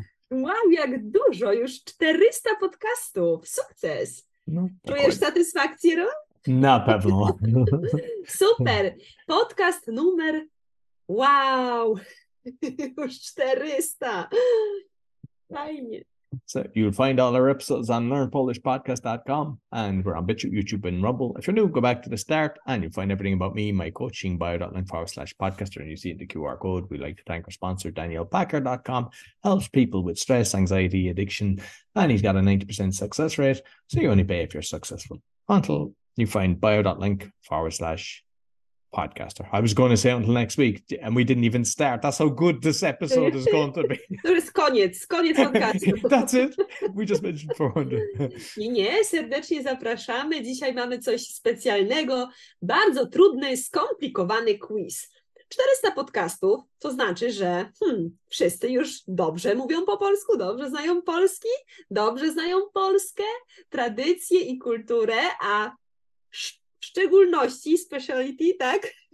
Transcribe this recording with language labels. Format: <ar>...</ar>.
<pl>Wow, jak dużo, już 400 podcastów, sukces! No, czujesz satysfakcję, Ron? Na pewno. Super, podcast numer, wow, już 400, fajnie.</pl> <en>So you'll find all our episodes on learnpolishpodcast.com and we're on BitChute, YouTube, and Rumble. If you're new, go back to the start and you'll find everything about me, my coaching, bio.link/podcaster, and you see it in the QR code. We'd like to thank our sponsor, DanielPacker.com. Helps people with stress, anxiety, addiction, and he's got a 90% success rate, so you only pay if you're successful. Until you find bio.link/podcaster. I was going to say until next week, and we didn't even start. That's how good this episode is going to be.</en> <pl>To jest koniec podcastu.</pl> <en>That's it. We just mentioned 400.</en> <pl>Nie, serdecznie zapraszamy. Dzisiaj mamy coś specjalnego. Bardzo trudny, skomplikowany quiz. 400 podcastów, to znaczy, że wszyscy już dobrze mówią po polsku, dobrze znają polski, dobrze znają Polskę, tradycje i kulturę, a w szczególności speciality, tak?</pl>